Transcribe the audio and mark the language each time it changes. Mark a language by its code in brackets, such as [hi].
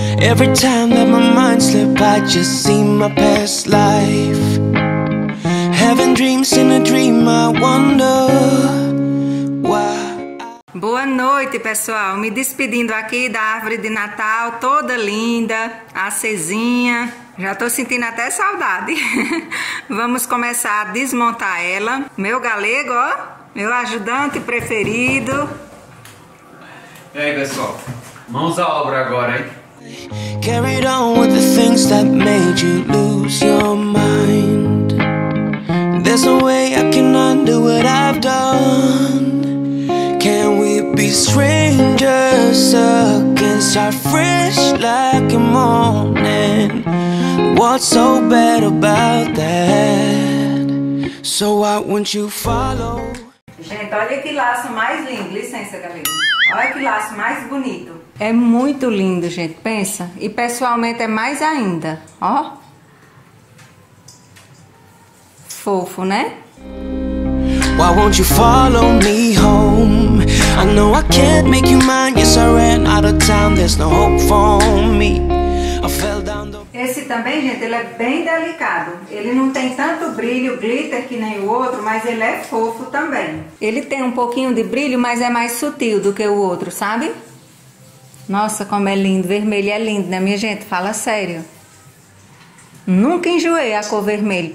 [en] Every time that my mind slips, I just see my past life. Having dreams in a dream, I wonder why. [pt] Boa noite, pessoal. Me despedindo aqui da árvore de Natal, toda linda, acesinha. Já tô sentindo até saudade. Vamos começar a desmontar ela. Meu galego, ó. Meu ajudante preferido. E aí, pessoal? Mãos à obra agora, hein? [en] Carried on with the things that made you lose your mind. There's no way I can undo what I've done. Can we be strangers again? Start fresh like a morning. What's so bad about that? So why won't you follow? [pt] Gente, olha que laço mais lindo. Licença, galera. Olha que laço mais bonito. É muito lindo, gente. Pensa. E pessoalmente é mais ainda. Ó. Fofo, né? [en] Why won't you follow me home? I know I can't make you mine. Yes, I ran out of time. There's no hope for me. I fell down the... [pt] Esse também, gente, ele é bem delicado. Ele não tem tanto brilho, glitter, que nem o outro, mas ele é fofo também. Ele tem um pouquinho de brilho, mas é mais sutil do que o outro, sabe? Nossa, como é lindo. Vermelho é lindo, né, minha gente? Fala sério. Nunca enjoei a cor vermelha.